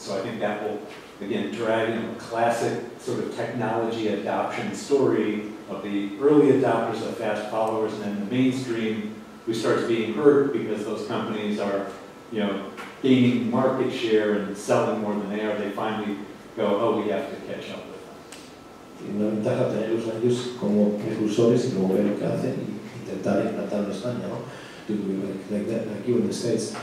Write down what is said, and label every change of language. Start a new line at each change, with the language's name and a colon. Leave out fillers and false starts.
English: So I think that will, again, drag in a classic sort of technology adoption story of the early adopters of fast followers, and then the mainstream who starts being hurt because those companies are, you know, gaining market share and selling more than they are. They finally go, oh, we have to catch up with them.
Spanish: Tiene una ventaja tenerlos a ellos como precursores y luego ver lo que hacen y intentar implantarlo en España, ¿no?
English: To be like that, like you in the States.